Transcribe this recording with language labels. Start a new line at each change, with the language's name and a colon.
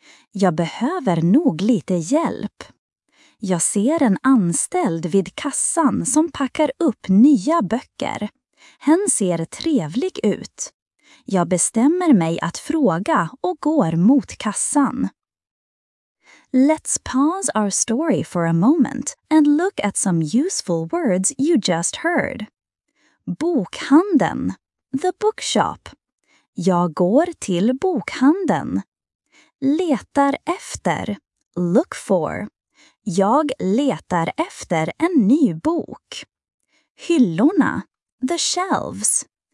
Swedish: Jag behöver nog lite hjälp. Jag ser en anställd vid kassan som packar upp nya böcker. Hen ser trevlig ut. Jag bestämmer mig att fråga och går mot kassan.
English: Let's pause our story for a moment and look at some useful words you just heard. Bokhandeln, the bookshop.
Swedish: Jag går till bokhandeln. Letar efter,
English: look for.
Swedish: Jag letar efter en ny bok. Hyllorna.
English: The shelves.